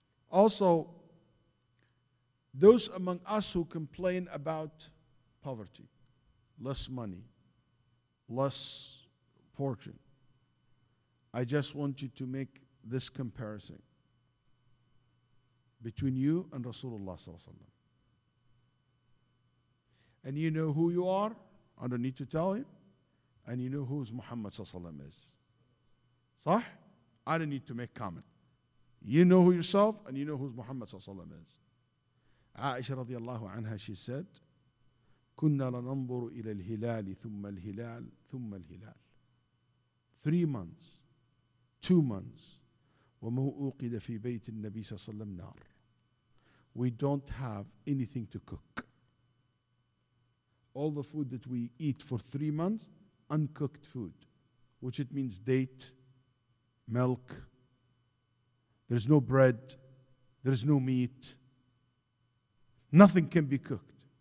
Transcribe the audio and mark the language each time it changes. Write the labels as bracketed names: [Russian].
[English] Also, those among us who complain about poverty, less money, less fortune, I just want you to make this comparison between you and Rasulullah sallallahu alaihi wasallam. And you know who you are, I don't need to tell you, and you know who Muhammad sallallahu alaihi wasallam is. Sah? I don't need to make comment. You know who yourself, and you know who Muhammad sallallahu alaihi wasallam is. [Arabic] عائشة رضي الله عنها, [English] she said, [Arabic] كنا لننظر إلى الهلال ثم الهلال ثم الهلال. [English] 3 months, 2 months, [Arabic] ومو أوقد في بيت النبي صلى الله عليه وسلم نار. [English] We don't have anything to cook. All the food that we eat for 3 months, uncooked food, which it means date, milk, there's no bread, there's no meat, nothing can be cooked.